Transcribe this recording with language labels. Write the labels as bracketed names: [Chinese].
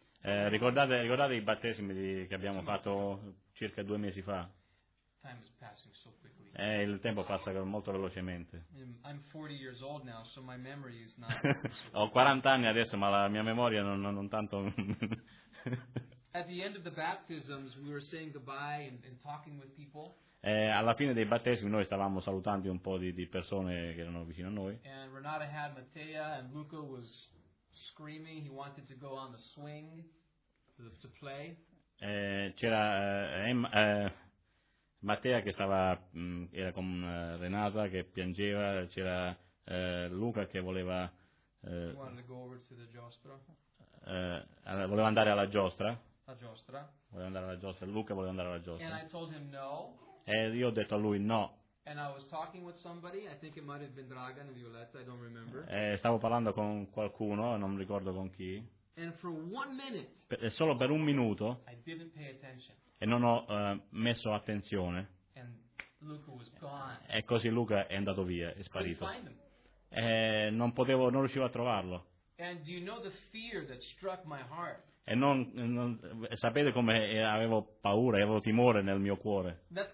[Italian] Ricordate i battesimi che abbiamo fatto circa 2 mesi fa? [English] Time is passing so quickly. [Italian] Il tempo passa molto velocemente. [English] I'm 40 years old now, so my memory is not. [Italian] Ho 40 anni adesso, ma la mia memoria non tanto. [English] At the end of the baptisms, we were saying goodbye and talking with people. [Italian] Alla fine dei battesimi noi stavamo salutando un po' di persone che erano vicino a noi. [English] And Renata had Mattea and Luca was screaming, he wanted to go on the swing to play. [Italian] C'era Mattea che stava era con Renata che piangeva, c'era Luca che voleva voleva andare alla giostra. La giostra. Voleva andare alla giostra. Luca voleva andare alla giostra. [English] And I told him no. [Italian] E io ho detto a lui no. [English] And I was talking with somebody, I think it might have been Dragan and Violetta, I don't remember. [Italian] Stavo parlando con qualcuno, non ricordo con chi. [English] And for 1 minute. [Italian] Solo per un minuto. [English] I didn't pay attention. [Italian] E non ho messo attenzione. [English] And Luca was gone. [Italian] E così Luca è andato via, è sparito. [English] Couldn't find him. [Italian] Non riuscivo a trovarlo. [English] And do you know the fear that struck my heart? [Italian] E non sapete come avevo paura, avevo timore nel mio cuore.